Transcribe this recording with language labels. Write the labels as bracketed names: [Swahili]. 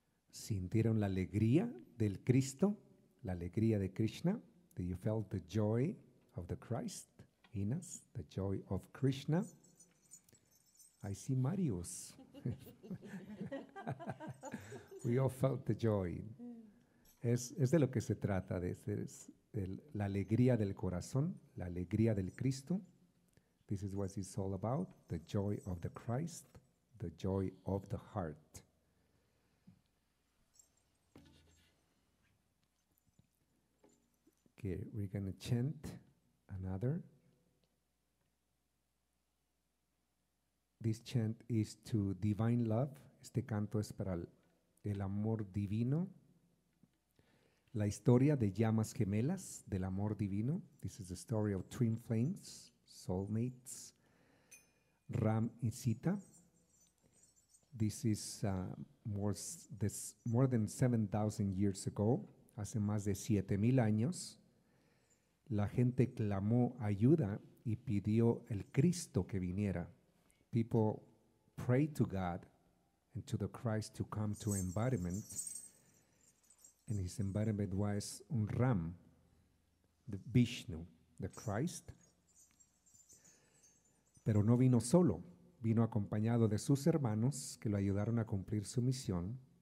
[Spanish] ¿Sintieron la alegría del Cristo, la alegría de Krishna? [English] Did you felt the joy of the Christ in us, the joy of Krishna? I see Marius. We all felt the joy. [Spanish] Es de lo que se trata, la alegría del corazón, la alegría del Cristo. [English] This is what it's all about, the joy of the Christ, the joy of the heart. Okay, we're going to chant another. This chant is to divine love. [Spanish] Este canto es para el amor divino. La historia de llamas gemelas del amor divino. [English] This is the story of twin flames, soulmates, Ram and Sita. This is more than 7,000 years ago. [Spanish] Hace más de 7,000 años. La gente clamó ayuda y pidió el Cristo que viniera. [English] People prayed to God and to the Christ to come to embodiment. And his embodiment was un Ram, the Vishnu, the Christ. [Spanish] Pero no vino solo, vino acompañado de sus hermanos que lo ayudaron a cumplir su misión.